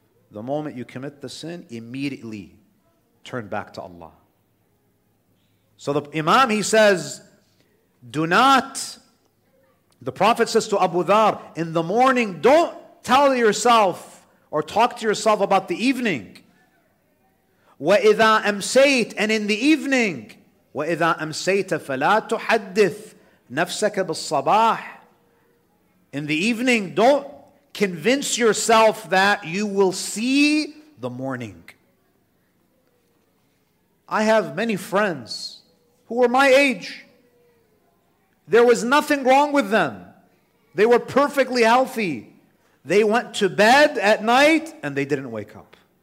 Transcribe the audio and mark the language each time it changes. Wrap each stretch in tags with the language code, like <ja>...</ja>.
<en>The moment you commit the sin, immediately turn back to Allah. So the Imam, he says, do not, the Prophet says to Abu Dhar, in the morning, don't tell yourself or talk to yourself about the evening.</en> <ar>وَإِذَا أَمْسَيْتَ,</ar> <en>and in the evening,</en> <ar>وَإِذَا أَمْسَيْتَ فَلَا تُحَدِّثْ نَفْسَكَ بِالصَّبَاحِ.</ar> <en>In the evening, don't convince yourself that you will see the morning. I have many friends who are my age. There was nothing wrong with them. They were perfectly healthy. They went to bed at night and they didn't wake up.</en>